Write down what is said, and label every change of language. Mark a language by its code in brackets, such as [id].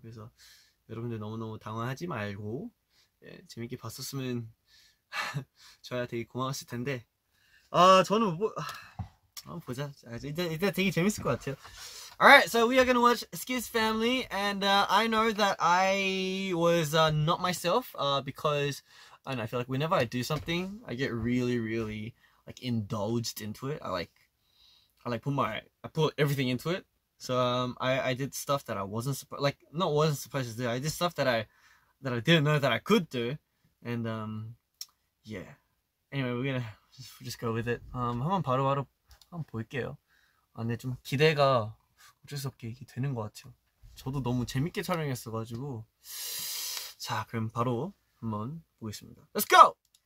[ko] 그래서 여러분들 너무 당황하지 말고. 예, 재밌게 봤었으면 저야 되게 고마웠을 텐데 저는 보자 일단 되게 재밌을 것 같아요. [en] Alright, so we are gonna watch Skiz Family and I know that I was not myself because I feel like whenever I do something I get really really like indulged into it. I put everything into it. So I did stuff that I wasn't supposed to do. I did stuff that I didn't know that I could do, and yeah. Anyway, we'll just go with it. [ko] 한번 바로 한번 볼게요. 근데 좀 기대가 어쩔 수 없게 이게 되는 것 같아요. 저도 너무 재밌게 촬영했어가지고 자 그럼 바로 한번 보겠습니다. [en] Let's go.